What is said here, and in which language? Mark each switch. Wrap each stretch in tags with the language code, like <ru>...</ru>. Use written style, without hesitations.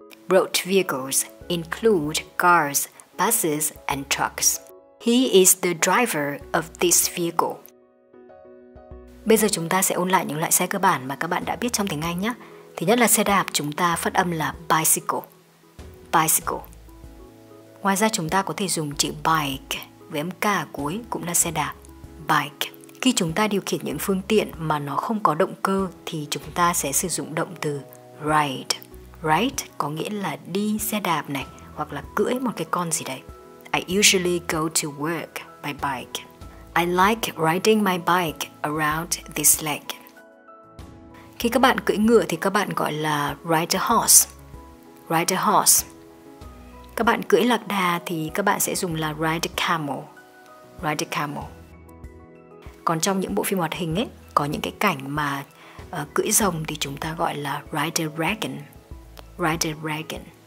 <en>Road vehicles include cars, buses, and trucks. He is the driver of this vehicle.</en> <vi>Bây giờ chúng ta sẽ ôn lại những loại xe cơ bản mà các bạn đã biết trong tiếng Anh nhé. Thứ nhất là xe đạp, chúng ta phát âm là bicycle. Bicycle. Ngoài ra chúng ta có thể dùng chữ bike với âm k ở cuối cũng là xe đạp. Bike. Khi chúng ta điều khiển những phương tiện mà nó không có động cơ thì chúng ta sẽ sử dụng động từ ride. Ride có nghĩa là đi xe đạp này hoặc là cưỡi một cái con gì đấy.</vi> <en>I usually go to work by bike. I like riding my bike around this lake.</en> <vi>Khi các bạn cưỡi ngựa thì các bạn gọi là</vi> <en>ride a horse. Ride a horse.</en> <vi>Các bạn cưỡi lạc đà thì các bạn sẽ dùng là</vi> <en>ride a camel. Ride a camel.</en> <vi>Còn trong những bộ phim hoạt hình ấy, có những cái cảnh mà cưỡi rồng thì chúng ta gọi là</vi> <en>ride a dragon. Ride a dragon.</en>